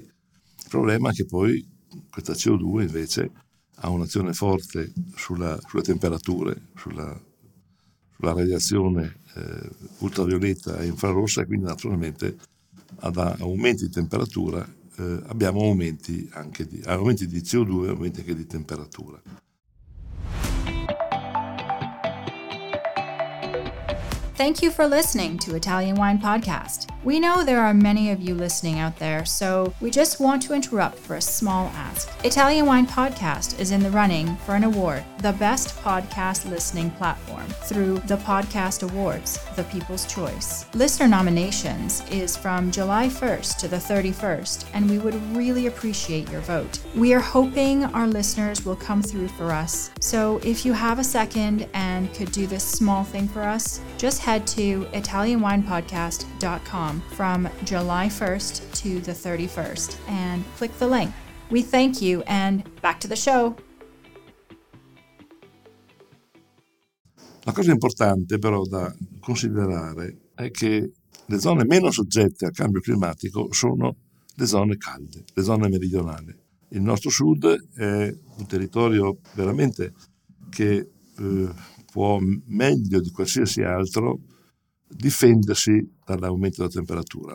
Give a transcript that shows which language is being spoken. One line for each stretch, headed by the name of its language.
Italian: Il problema è che poi questa CO2 invece ha un'azione forte sulle temperature, sulla radiazione ultravioletta e infrarossa, e quindi naturalmente ad aumenti di temperatura abbiamo aumenti anche di CO2, aumenti anche di temperatura.
English: Thank you for listening to Italian Wine Podcast. We know there are many of you listening out there, so we just want to interrupt for a small ask. Italian Wine Podcast is in the running for an award, the best podcast listening platform, through the Podcast Awards, the People's Choice. Listener nominations is from July 1st to the 31st, and we would really appreciate your vote. We are hoping our listeners will come through for us. So if you have a second and could do this small thing for us, just head to italianwinepodcast.com. From July 1st to the 31st and click the link. We thank you and back to the show.
Italian: La cosa importante però da considerare è che le zone meno soggette al cambio climatico sono le zone calde, le zone meridionali. Il nostro sud è un territorio veramente che può meglio di qualsiasi altro difendersi dall'aumento della temperatura.